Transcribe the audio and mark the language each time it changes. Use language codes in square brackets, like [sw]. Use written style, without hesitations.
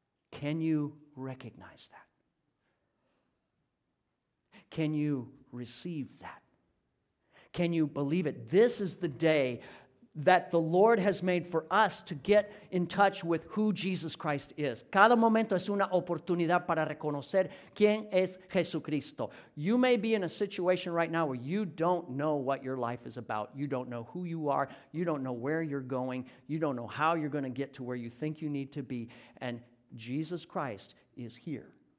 [en] Can you recognize that? Can you receive that? Can you believe it? This is the day that the Lord has made for us to get in touch with who Jesus Christ is. [es] Cada momento es una oportunidad para reconocer quién es Jesucristo. [en] You may be in a situation right now where you don't know what your life is about. You don't know who you are. You don't know where you're going. You don't know how you're going to get to where you think you need to be. And Jesus Christ is here.